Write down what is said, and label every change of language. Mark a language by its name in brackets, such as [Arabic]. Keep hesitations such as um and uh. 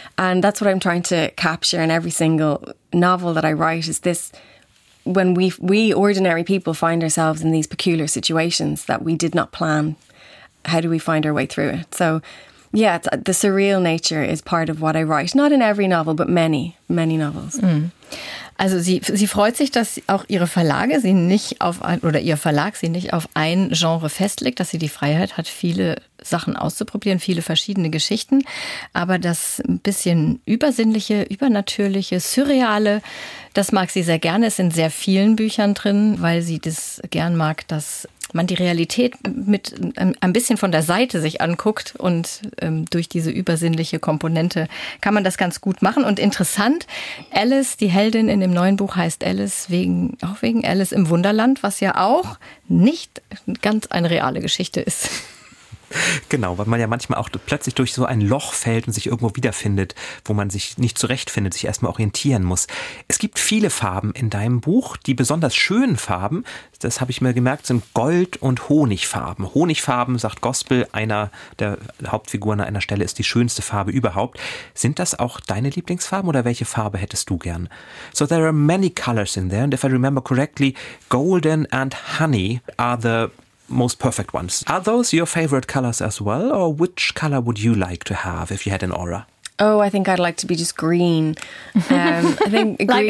[English] And that's what I'm trying to capture in every single novel that I write is this when we we ordinary people find ourselves in these peculiar situations that we did not plan how do we find our way through it so yeah it's, the surreal nature is part of what i write not in every novel but many many novels [German] Also sie, sie freut sich, dass auch ihre Verlage sie nicht auf ein, oder ihr Verlag sie nicht auf ein Genre festlegt, dass sie die Freiheit hat, viele Sachen auszuprobieren, viele verschiedene Geschichten. Aber das ein bisschen übersinnliche, übernatürliche, surreale, das mag sie sehr gerne. Es sind sehr vielen Büchern drin, weil sie das gern mag, dass man die Realität mit ähm, ein bisschen von der Seite sich anguckt und ähm, durch diese übersinnliche Komponente kann man das ganz gut machen. Und interessant, Alice, die Heldin in dem neuen Buch heißt Alice wegen, auch wegen Alice im Wunderland, was ja auch nicht ganz eine reale Geschichte ist. Genau, weil man ja manchmal auch plötzlich durch so ein Loch fällt und sich irgendwo wiederfindet, wo man sich nicht zurechtfindet, sich erstmal orientieren muss. Es gibt viele Farben in deinem Buch, die besonders schönen Farben, das habe ich mir gemerkt, sind Gold- und Honigfarben. Honigfarben, sagt Gospel, einer der Hauptfiguren an einer Stelle ist die schönste Farbe überhaupt. Sind das auch deine Lieblingsfarben oder welche Farbe hättest du gern? [English] So there are many colors in there and if I remember correctly, golden and honey are the most perfect ones. Are those your favorite colors as well, or which color would you like to have if you had an aura? Oh, I think I'd like to be just green. Um, I think green,